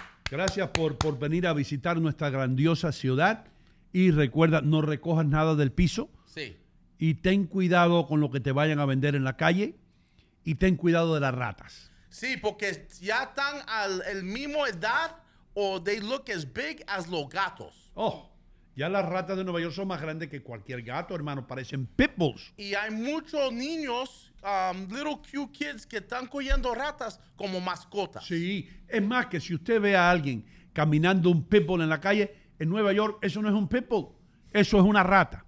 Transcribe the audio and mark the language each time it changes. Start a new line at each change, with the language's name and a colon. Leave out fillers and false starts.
Spanish: Gracias por venir a visitar nuestra grandiosa ciudad. Y recuerda, no recojas nada del piso. Sí. Y ten cuidado con lo que te vayan a vender en la calle. Y ten cuidado de las ratas. Sí, porque ya están al el mismo edad.
English: Or they look as big as
Spanish: los gatos. Oh, ya las ratas de Nueva York son más grandes que cualquier gato, hermano. Parecen pitbulls. Y hay muchos niños,
English: little cute kids,
Spanish: que están cogiendo ratas como mascotas. Sí, es más que si usted ve a alguien caminando un pitbull en la calle, en Nueva York eso no es un pitbull, eso es una rata.